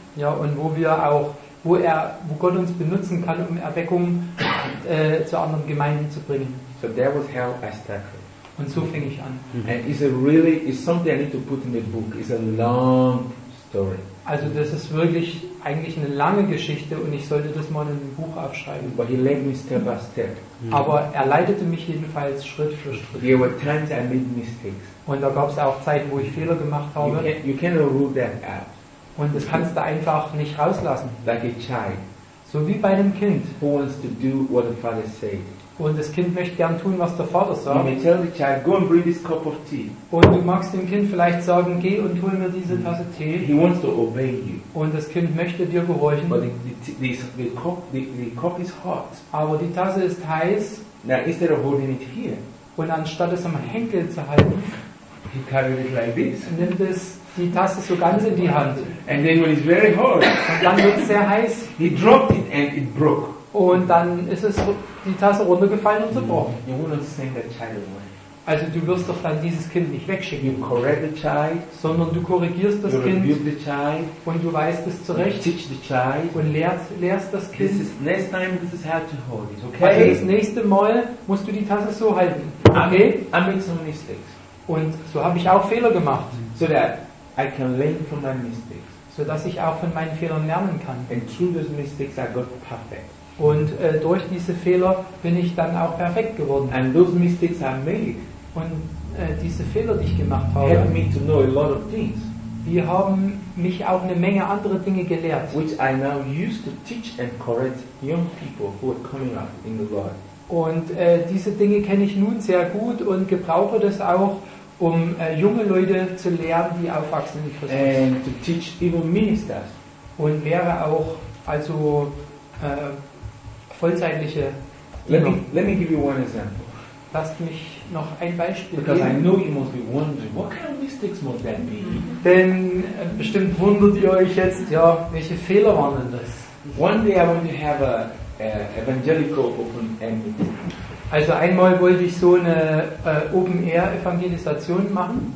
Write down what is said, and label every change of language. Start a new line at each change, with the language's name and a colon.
German: Ja, und wo Gott uns benutzen kann, um Erweckung zu anderen Gemeinden zu bringen.
English: So that was how I started.
German: Und so fing ich an. Mm-hmm.
English: And it's something I need to put in the book. It's a long story.
German: Also das ist wirklich eigentlich eine lange Geschichte und ich sollte das mal in einem Buch aufschreiben.
English: But he led me step by step.
German: Aber er leitete mich jedenfalls Schritt für Schritt.
English: There were times I made mistakes.
German: Und da gab es auch Zeiten, wo ich Fehler gemacht habe.
English: You cannot rule that out.
German: Und das kannst du einfach nicht rauslassen.
English: Like a child.
German: So wie bei einem Kind.
English: Who wants to do what the father said.
German: Und das Kind möchte gern tun, was der Vater sagt.
English: You may tell the child, go and bring this cup of tea.
German: Und du magst dem Kind vielleicht sagen, geh und hol mir diese Tasse Tee.
English: He wants to obey you.
German: Und das Kind möchte dir gehorchen.
English: But the cup is hot.
German: Aber die Tasse ist heiß.
English: Now instead of holding it here.
German: Und anstatt es am Henkel zu halten,
English: he carries it like this.
German: Nimmt es die Tasse so ganz in die Hand.
English: And then when it's very hot,
German: und dann wird es sehr heiß.
English: He dropped it and it broke.
German: Und dann ist es die Tasse runtergefallen und zerbrochen.
English: You wouldn't send that child away.
German: Also du wirst doch dann dieses Kind nicht wegschicken.
English: You correct the child,
German: sondern du korrigierst das Kind.
English: You rebuke the child,
German: und du weißt es zurecht.
English: You teach the child,
German: und lehrst das Kind.
English: This is next time, this is how to hold it, okay?
German: Weil das nächste Mal musst du die Tasse so halten.
English: Okay? I made some mistakes.
German: Und so habe ich auch Fehler gemacht.
English: So that I can learn from my mistakes.
German: So dass ich auch von meinen Fehlern lernen kann.
English: And through those mistakes I got perfect.
German: Und durch diese Fehler bin ich dann auch perfekt geworden.
English: And those mistakes I made.
German: Und diese Fehler, die ich gemacht habe,
English: helped me to know a lot of things.
German: Die haben mich auch eine Menge andere Dinge gelehrt.
English: Which I now use to teach and correct young people who are coming up in the Lord.
German: Und diese Dinge kenne ich nun sehr gut und gebrauche das auch, um junge Leute zu lehren, die aufwachsen in Christus.
English: And to teach even ministers.
German: Und lehre auch also vollzeitliche Diener.
English: Let me give you one example.
German: Lasst mich noch ein Beispiel
English: Because
German: geben.
English: I know you must be wondering, what kind of mistakes must that be?
German: Denn bestimmt wundert ihr euch jetzt, ja, welche Fehler waren denn das?
English: One day I want to have a evangelical open ending.
German: Also einmal wollte ich so eine Open-Air-Evangelisation machen.